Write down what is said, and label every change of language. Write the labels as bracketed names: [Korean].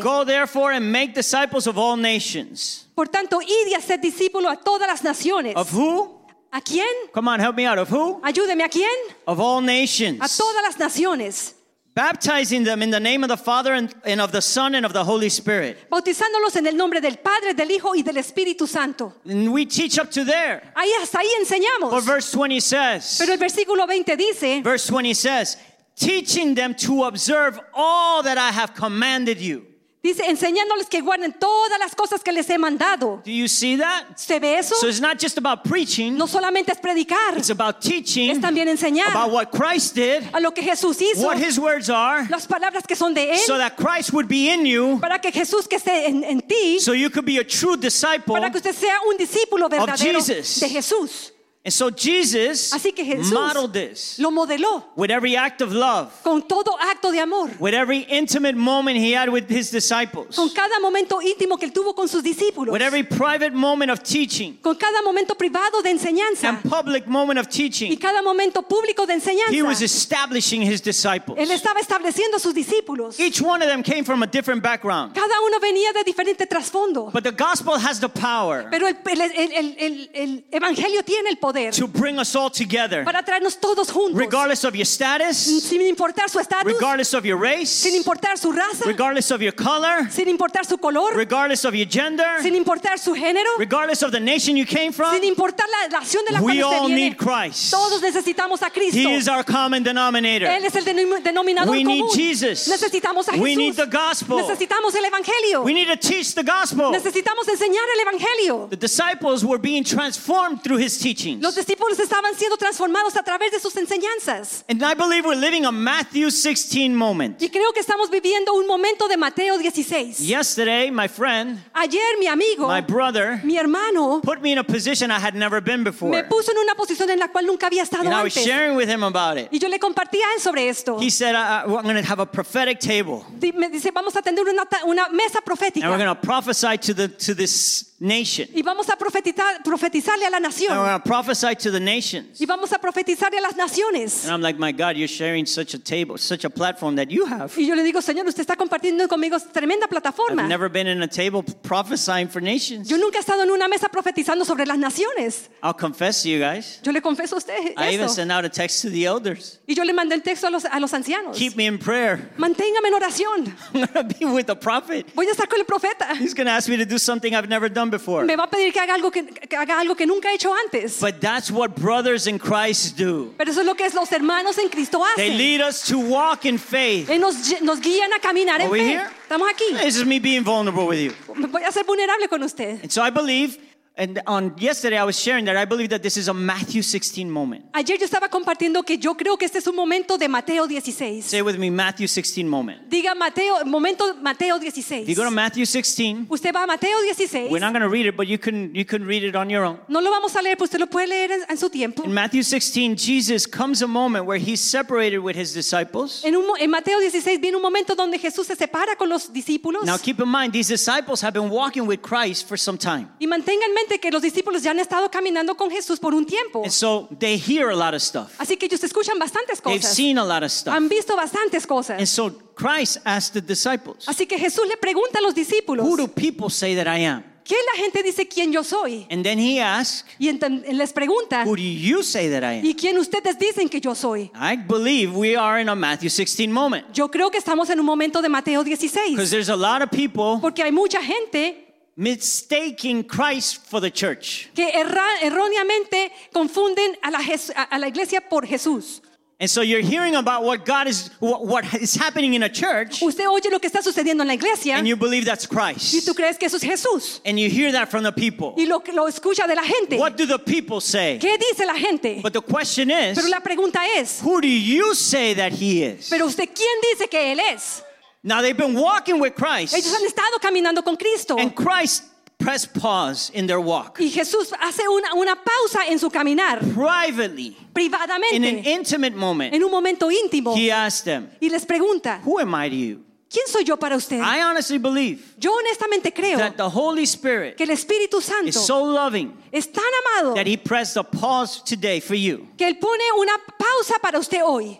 [English] Go therefore and make disciples of all nations. [Spanish] Por tanto, id y haced discípulo a todas las naciones. [English] Of who? [Spanish] ¿A quién? [English] Come on, help me out. Of who? [Spanish] Ayúdeme, ¿a quién? [English] Of all nations. [Spanish] A todas las naciones. [English] Baptizing them in the name of the Father and of the Son and of the Holy Spirit. [Spanish] Bautizándolos en el nombre del Padre, del Hijo y del Espíritu Santo. [English] And we teach up to there. [Spanish] Ahí hasta ahí enseñamos. [English] But verse 20 says. [Spanish] Pero el versículo 20 dice. [English] Verse 20 says, teaching them to observe all that I have commanded you. [Spanish] Dice, enseñándoles que guarden todas las cosas que les he mandado. [English] Do you see that? [Spanish] ¿Se ve eso? [English] So it's not just about preaching. [Spanish] No solamente es predicar. [English] It's about teaching. [Spanish] Es también enseñar. [English] About what Christ did. [Spanish] A lo que Jesús hizo. [English] What his words are. [Spanish] Las palabras que son de él. [English] So that Christ would be in you. [Spanish] Para que Jesús que esté en ti. [English] So you could be a true disciple. [Spanish] Para que usted sea un discípulo verdadero. [English] Of Jesus. [Spanish] De Jesús. [English] And so Jesus, [Spanish] así que Jesús, [English] modeled this, [Spanish] lo modeló, [English] with every act of love, [Spanish] con todo acto de amor, [English] with every intimate moment he had with his disciples, [Spanish] con cada momento íntimo que él tuvo con sus discípulos, [English] with every private moment of teaching, [Spanish] con cada momento privado de enseñanza, [English] and public moment of teaching, [Spanish] y cada momento público de enseñanza, [English] he was establishing his disciples. [Spanish] Él estaba estableciendo sus discípulos. [English] Each one of them came from a different background. [Spanish] Cada uno venía de diferente trasfondo. [English] But the gospel has the power. [Spanish] Pero el evangelio tiene el [English] to bring us all together, [Spanish] para traernos todos juntos, [English] regardless of your status, [Spanish] sin importar su estatus, [English] regardless of your race, [Spanish] sin importar su raza, [English] regardless of your color, [Spanish] sin importar su color, [English] regardless of your gender, [Spanish] sin importar su género, [English] regardless of the nation you came from, [Spanish] sin importar la nación de la cual usted viene, [English] we all need Christ. [Spanish] Todos necesitamos a Cristo. [English] He is our common denominator. [Spanish] Él es el denominador común. [English] need Jesus. [Spanish] Necesitamos a Jesús. [English] We need the gospel. [Spanish] Necesitamos el evangelio. [English] We need to teach the gospel. [Spanish] Necesitamos enseñar el evangelio. [English] The disciples were being transformed through his teaching. teachings. [Spanish] Los discípulos estaban siendo transformados a través de sus enseñanzas. [English] And I believe we're living a Matthew 16 moment. [Spanish] Y creo que estamos viviendo un momento de Mateo 16. [English] Yesterday, my friend, [Spanish] ayer mi amigo, [English] my brother, [Spanish] mi hermano, [English] put me in a position I had never been before. [Spanish] Me puso en una posición en la cual nunca había estado antes. [English] And I was sharing with him about it. [Spanish] Y yo le compartí a él sobre esto. [English] He said, I'm going to have a prophetic table. [Spanish] Me dice, vamos a tener una mesa profética. [English] And we're going to prophesy to this nation. [Spanish] Y vamos a profetizarle a la nación. [English] And we're going to prophesy to the nations. [Spanish] Y vamos a profetizarle a las naciones. [English] And I'm like, my God, you're sharing such a table, such a platform that you have. [Spanish] Y yo le digo, Señor, usted está compartiendo conmigo tremenda plataforma. [English] I've never been in a table prophesying for nations. [Spanish] Yo nunca he estado en una mesa profetizando sobre las naciones. [English] I'll confess to you guys. [Spanish] Yo le confieso a usted eso. [English] I even sent out a text to the elders. [Spanish] Y yo le mandé el texto a los ancianos. [English] Keep me in prayer. [Spanish] Manténgame en oración. [English] I'm going to be with a prophet. [Spanish] Voy a estar con el profeta. [English] He's going to ask me to do something I've never done before. [Spanish] Me va a pedir que haga algo que nunca he hecho antes. [English] But that's what brothers in Christ do. [Spanish] Pero eso es lo que los hermanos en Cristo hacen. [English] They lead us to walk in faith. [Spanish] Nos guían a caminar en fe. [English] Are we here? [Spanish] Estamos aquí. [English] This is me being vulnerable with you. [Spanish] Voy a ser vulnerable con usted. [English] And so I believe, and on yesterday I was sharing that I believe that this is a Matthew 16 moment. [Spanish] Ayer yo estaba compartiendo que yo creo que este es un momento de Mateo 16. [English] Say with me, Matthew 16 moment. [Spanish] Diga Mateo, momento Mateo 16. [English] If you go to Matthew 16. [Spanish] Usted va a Mateo 16. [English] We're not going to read it, but you can read it on your own. [Spanish] No lo vamos a leer, pero usted lo puede leer en su tiempo. [English] In Matthew 16, Jesus comes a moment where he's separated with his disciples. [Spanish] En Mateo 16 viene un momento donde Jesús se separa con los discípulos. [English] Now keep in mind, these disciples have been walking with Christ for some time. [Spanish] Y mantengan que los discípulos ya han estado caminando con Jesús por un tiempo. [English] And so they hear a lot of stuff. [Spanish] Así que ellos escuchan bastantes cosas. [English] They've seen a lot of stuff. [Spanish] Han visto bastantes cosas. [English] And so Christ asked the disciples. [Spanish] Así que Jesús le pregunta a los discípulos. [English] Who do people say that I am? [Spanish] ¿Qué la gente dice quién yo soy? [English] And then he asks. [Spanish] Y entonces les pregunta. [English] Who do you say that I am? [Spanish] ¿Y quién ustedes dicen que yo soy? [English] I believe we are in a Matthew 16 moment. [Spanish] Yo creo que estamos en un momento de Mateo 16. [English] Because there's a lot of people. [Spanish] Porque hay mucha gente. [English] Mistaking Christ for the church. [Spanish] Que erróneamente confunden a la iglesia por Jesús. [English] And so you're hearing about what God is, what is happening in a church. [Spanish] Usted oye lo que está sucediendo en la iglesia. [English] And you believe that's Christ. [Spanish] Y tú crees que eso es Jesús. [English] And you hear that from the people. [Spanish] Y lo escucha de la gente. [English] What do the people say? [Spanish] ¿Qué dice la gente? [English] But the question is. [Spanish] Pero la pregunta es. [English] Who do you say that he is? [Spanish] Pero usted quién dice que él es. [English] Now they've been walking with Christ. [Spanish] Ellos han estado caminando con Cristo. [English] And Christ pressed pause in their walk. [Spanish] Y Jesús hace una pausa en su caminar. [English] Privately. [Spanish] Privadamente. [English] In an intimate moment. [Spanish] En un momento íntimo. [English] He asked them. [Spanish] Y les pregunta. [English] Who am I to you? [Spanish] ¿Quién soy yo para usted? [English] I honestly believe. [Spanish] Yo honestamente creo. [English] That the Holy Spirit. [Spanish] Que el Espíritu Santo. [English] Is so loving. [Spanish] Es tan amado. [English] That he pressed a pause today for you. [Spanish] Que él pone una pausa para usted hoy.